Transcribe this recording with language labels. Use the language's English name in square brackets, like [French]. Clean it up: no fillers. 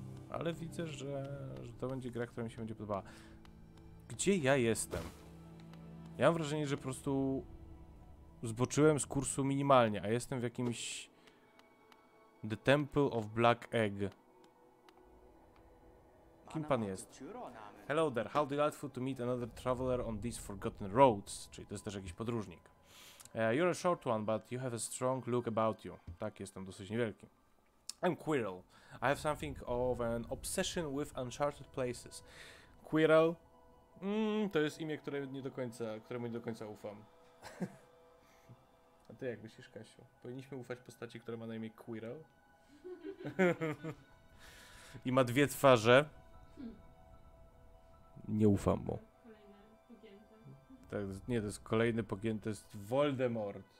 [Polish] Ale widzę, że to będzie gra, która mi się będzie podobała. Gdzie ja jestem? Ja mam wrażenie, że po prostu zboczyłem z kursu minimalnie, a jestem w jakimś The Temple of Black Egg. Kim pan jest? [English] Hello there, how delightful to meet another traveler on these forgotten roads. [Polish] Czyli to jest też jakiś podróżnik. [English] You're a short one, but you have a strong look about you. [Polish] Tak, jestem dosyć niewielki. [English] I'm Quirrell. I have something of an obsession with uncharted places. [Polish] Quirrell? To jest imię, któremu nie do końca ufam. A ty jak myślisz, Kasiu? Powinniśmy ufać postaci, która ma na imię Quirrell? I ma dwie twarze. Nie ufam mu. Kolejne pogięte. Tak, nie, to jest kolejny pogięty, to jest Voldemort.